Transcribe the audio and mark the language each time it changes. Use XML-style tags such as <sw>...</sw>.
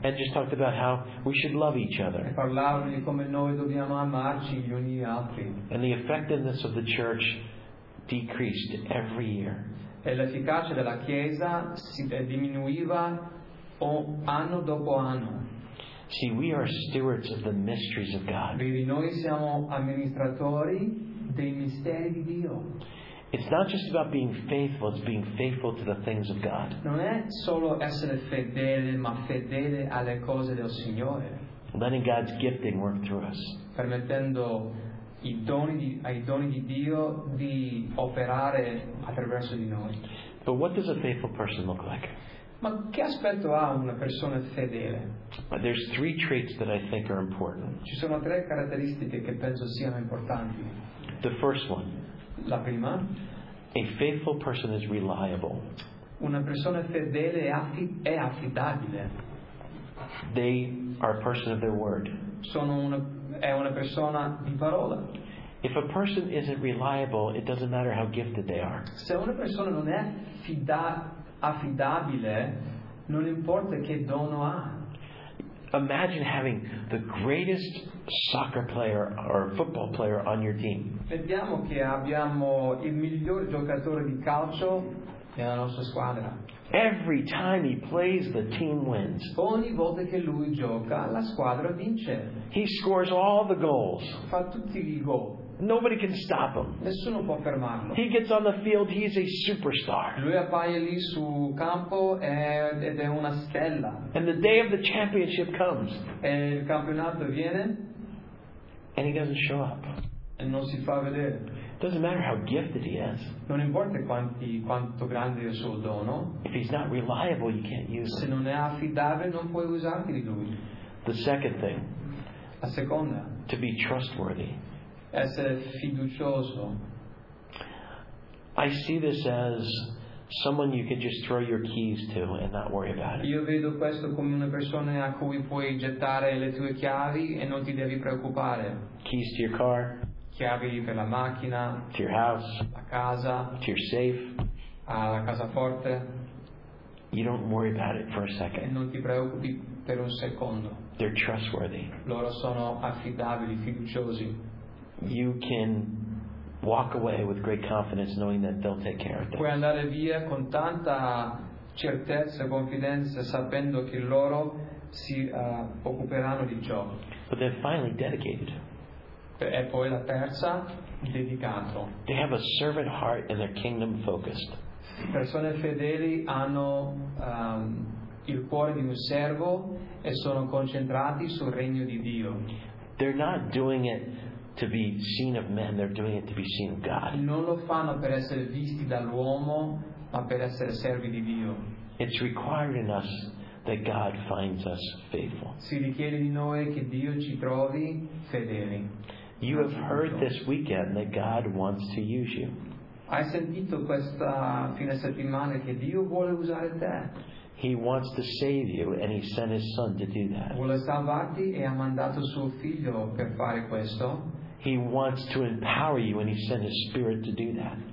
<en>And just talked about how we should love each other.</en> <it>E parlavano di come noi dobbiamo amarci gli uni gli altri.</it> <en>And the effectiveness of the church decreased every year.</en> <it>E l'efficacia della chiesa si diminuiva anno dopo anno.</it> <en>See, we are stewards of the mysteries of God.</en> <it>Vedi, noi siamo amministratori dei misteri di Dio.</it> <en>It's not just about being faithful, it's being faithful to the things of God.</en> <it>Non è solo essere fedele, ma fedele alle cose del Signore.</it> <en>Letting God's gifting work through us.</en> <it>Permettendo ai doni di Dio di operare attraverso di noi.</it> <en>But what does a faithful person look like?</en> <it>Ma che aspetto ha una persona fedele?</it> <en>There's three traits that I think are important.</en> <it>Ci sono tre caratteristiche che penso siano importanti.</it> <en>The first one.</en> <it>La prima.</it> <en>A faithful person is reliable.</en> <it>Una persona fedele è affidabile.</it> <en>They are a person of their word.</en> <it>È una persona di parola.</it> <en>If a person isn't reliable, it doesn't matter how gifted they are.</en> <it>Se una persona non è affidabile, non importa che dono ha.</it> <en>Imagine having the greatest soccer player or football player on your team.</en> <it>Vediamo che abbiamo il miglior giocatore di calcio nella nostra squadra.</it> <en>Every time he plays, the team wins.</en> <it>Ogni volta che lui gioca, la squadra vince.</it> <en>He scores all the goals.</en> <it>Fa tutti i gol.</it> <en>Nobody can stop him.</en> <it>Nessuno può fermarlo.</it> <en>He gets on the field, he's a superstar.</en> <it>Lui appare lì sul campo ed è una stella.</it> <en>And the day of the championship comes.</en> <it>E il campionato viene.</it> <en>And he doesn't show up.</en> <it>E non si fa vedere.</it> <en>Doesn't matter how gifted he is.</en> <it>Non importa quanto grande è il suo dono.</it> <en>If he's not reliable, you can't use</en> <it>him. Se non è affidabile, non puoi usarti di lui.</it> <en>The second thing.</en> <it>La seconda.</it> <en>To be trustworthy.</en> <it>Essere fiducioso.</it> <en>I see this as someone you can just throw your keys to and not worry about it.</en> <it>Io vedo questo come una persona a cui puoi gettare le tue chiavi e non ti devi preoccupare.</it> <en>Keys to your car.</en> <it>Chiavi per la macchina.</it> <en>To your house.</en> <it>La casa.</it> <en>To your safe.</en> <it>Alla casaforte.</it> <en>You don't worry about it for a second.</en> <it>E non ti preoccupi per un secondo.</it> <en>They're trustworthy.</en> <it>Loro sono affidabili, fiduciosi.</it> <en>You can walk away with great confidence knowing that they'll take care of them.</en> <it>Puoi andare via con tanta certezza e confidenza sapendo che loro si occuperanno di ciò.</it> <en>But they're finally dedicated.</en> <it>E poi la terza, dedicato.</it> <en>They have a servant heart and they're kingdom focused.</en> <it>Persone fedeli hanno il cuore di un servo e sono concentrati sul regno di Dio.</it> <en>They're not doing it to be seen of men, they're doing it to be seen of God.</en> <it>Non lo fanno per essere visti dall'uomo, ma per essere servi di Dio.</it> <en>It's required in us that God finds us faithful.</en> <it>Si richiede di noi che Dio ci trovi fedeli.</it> <en>You have heard this weekend that God wants to use you.</en> <it>Hai sentito questa fine settimana che Dio vuole usare te.</it> <en>He wants to save you, and he sent his son to do that.</en> <it>Vuole salvarti e ha mandato suo figlio per fare questo.</it> <en>He wants to empower you, and he sent his spirit to do that.</en>